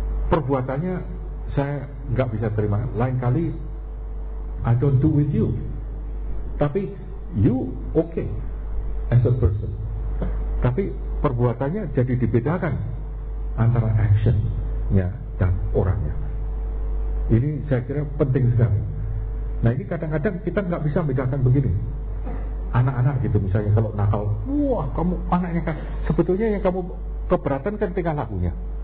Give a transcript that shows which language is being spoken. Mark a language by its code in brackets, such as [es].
[id] Perbuatannya saya enggak bisa terima. Lain kali [en] I don't do with you. [id] Tapi [en] you okay as a person. [id] Tapi perbuatannya jadi dibedakan antara actionnya dan orangnya. Ini saya kira penting sekali. Nah ini kadang-kadang kita gak bisa bedakan begini. Anak-anak gitu misalnya kalau nakal, wah kamu anaknya kan, sebetulnya yang kamu keberatan kan tinggal lakunya.